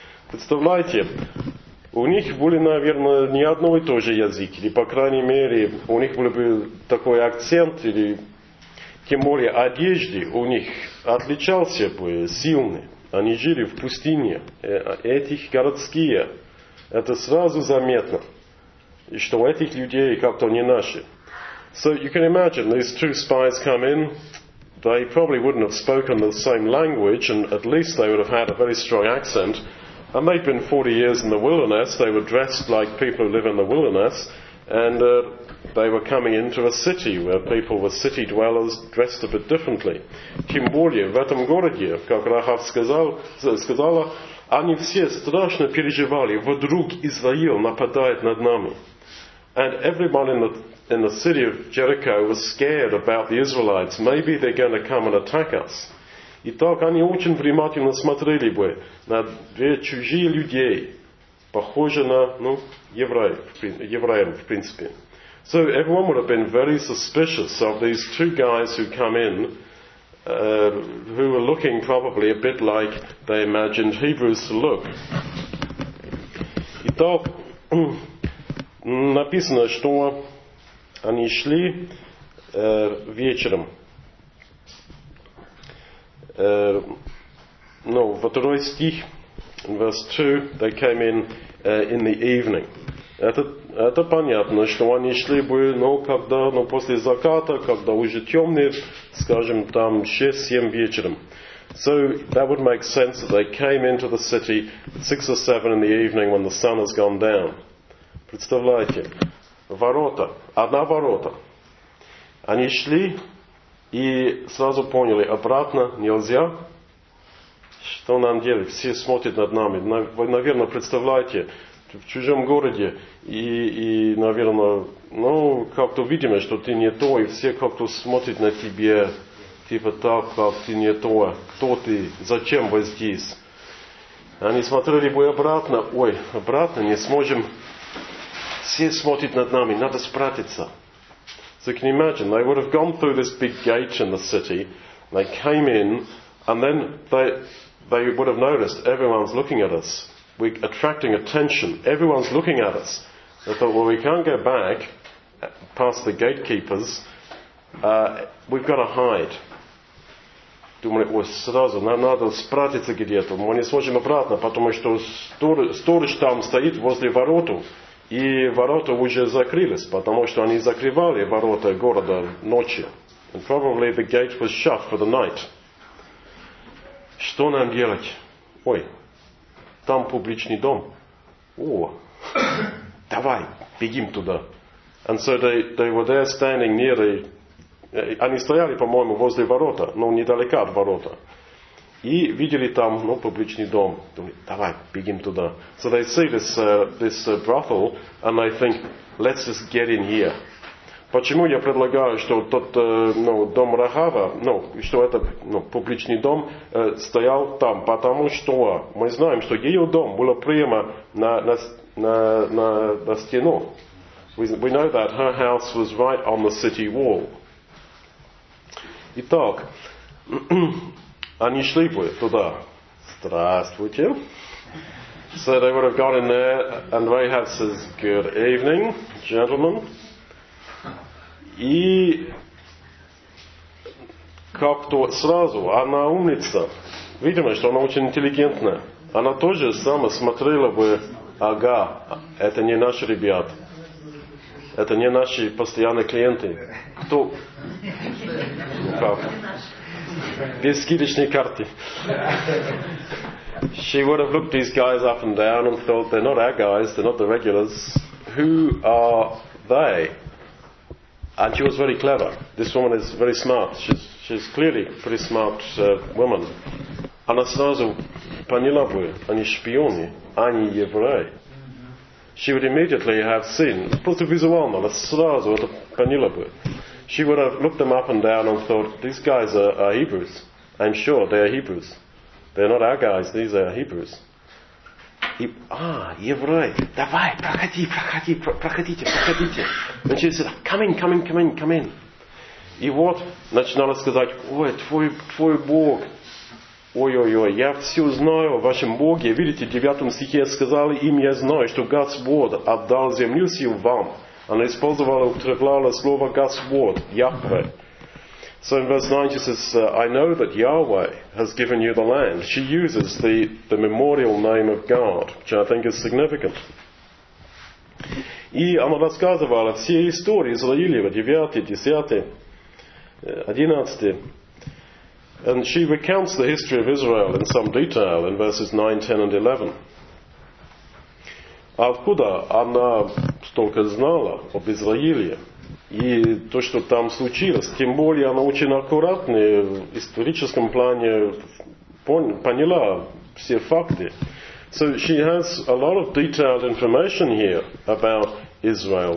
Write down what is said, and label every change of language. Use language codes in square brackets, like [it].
[ru] Представляете, у них были, наверное, не одно и то же язык, или, по крайней мере, у них был бы такой акцент, или... Тем более одежды у них отличался бы сильный. Они жили в пустыне. Этих городские. Это сразу заметно. И что у этих людей как-то не наши. [en] So you can imagine, these two spies come in. They probably wouldn't have spoken the same language, and at least they would have had a very strong accent. And they'd been 40 years in the wilderness. They were dressed like people who live in the wilderness. And they were coming into a city where people were city dwellers dressed a bit differently. [ru] Тем более в этом городе, как Рахав сказала, они все страшно переживали, вдруг Израил нападает над нами. [en] And everyone in the city of Jericho was scared about the Israelites. Maybe they're going to come and attack us. [ru] Итак, они очень внимательно смотрели бы на две чужие людей, похожие на, ну, евреев, в принципе. [en] So everyone would have been very suspicious of these two guys who come in, who were looking probably a bit like they imagined Hebrews to look. [ru] Итак, написано, что они шли вечером. Ну, второй стих, [en] verse 2, they came in the evening. [ru] Это понятно, что они шли бы, ну, когда, ну, после заката, когда уже темные, скажем, там 6-7 вечером. [en] So that would make sense that they came into the city at 6 or 7 in the evening when the sun has gone down. [ru] Представляете, ворота, одна ворота. Они шли и сразу поняли, обратно нельзя. Что нам делать? Все смотрят над нами. Вы, наверное, представляете, в чужом городе, и наверное, ну, как-то видимо, что ты не то, и все как-то смотрят на тебя, типа так, как ты не то, кто ты, зачем вы здесь. Они смотрели бы обратно, ой, обратно не сможем, все смотрят над нами, надо спрятаться. [en] So can you imagine, they would have gone through this big gate in the city, They came in, and then they would have noticed everyone's looking at us. We're attracting attention. Everyone's looking at us. They thought, well, we can't go back past the gatekeepers. We've got to hide. [ru] Думали, ой, сразу, нам надо спрятаться где-то. Мы не сможем обратно, потому что сторож там стоит возле ворота. И ворота уже закрылись, потому что они закрывали ворота города ночью. [en] And probably the gate was shut for the night. [ru] Что нам делать? Ой, там публичный дом. О, давай, бегим туда. [en] And so they were there standing near the... [ru] Они стояли, по-моему, возле ворота, но недалеко от ворота. И видели там, ну, публичный дом. Думали, давай, бегим туда. [en] So they see this brothel, and they think, let's just get in here. [ru] Почему я предлагаю, что тот ну, дом Рахава, ну, что это ну, публичный дом, стоял там? Потому что мы знаем, что ее дом был прямо на стену. [en] We know that her house was right on the city wall. [ru] Итак, они шли бы туда. Здравствуйте. [en] So they would have gone in there, and Rahab says, good evening, gentlemen. [ru] И как-то сразу она умница. Видимо, что она очень интеллигентная. Она тоже сама смотрела бы, ага, это не наши ребята. Это не наши постоянные клиенты. Кто? Как? Без скидочной карты. [en] She would have looked these guys up and down and thought, they're not our guys, they're not the regulars. Who are they? And she was very clever. This woman is very smart. She's clearly a pretty smart woman. [ru] Она сразу поняла бы, они шпионы, они евреи. [en] She would immediately have seen, [ru] просто визуально, она сразу это поняла бы. [en] She would have looked them up and down and thought, these guys are Hebrews. I'm sure they are Hebrews. They're not our guys, these are Hebrews. [ru] Евреи, давай, проходи, проходи, проходите, проходите. [en] And she said, come in. [ru] И вот начинала сказать, ой, твой Бог. Ой-ой-ой, я все знаю о вашем Боге. Видите, в 9 стихе сказали им, я знаю, что Господь отдал землю сию вам. Она использовала, употребляла слово Господь, Яхве. [en] So in verse 9 she says, I know that Yahweh has given you the land. She uses the memorial name of God, which I think is significant. [ru] И она рассказывала все истории Израилева, 9, 10, 11. [en] And she recounts the history of Israel in some detail in verses 9, 10 and 11. [ru] Откуда она столько знала об Израиле? И то, что там случилось, тем более она очень аккуратно в историческом плане поняла все факты. [en] So she has a lot of detailed information here about Israel.